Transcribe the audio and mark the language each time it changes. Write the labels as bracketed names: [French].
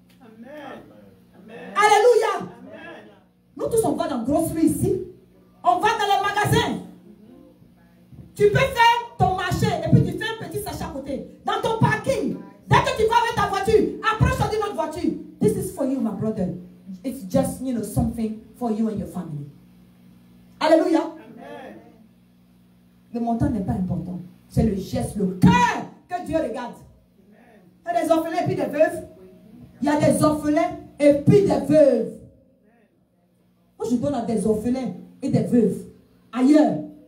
[French] Amen. Alléluia. Amen. Nous tous, on va dans grosserie ici. On va dans les magasins. Tu peux faire ton marché et puis tu fais un petit sachet à côté. Dans ton parking. Dès que tu vas avec ta voiture, approche d'une autre voiture. [English] This is for you, my brother. It's just, you know, something for you and your family. [French] Alléluia. Le montant n'est pas important. C'est le geste, le cœur que Dieu regarde. Il y a des orphelins et puis des veuves. Il y a des orphelins et puis des veuves. Moi, je donne à des orphelins et des veuves ailleurs.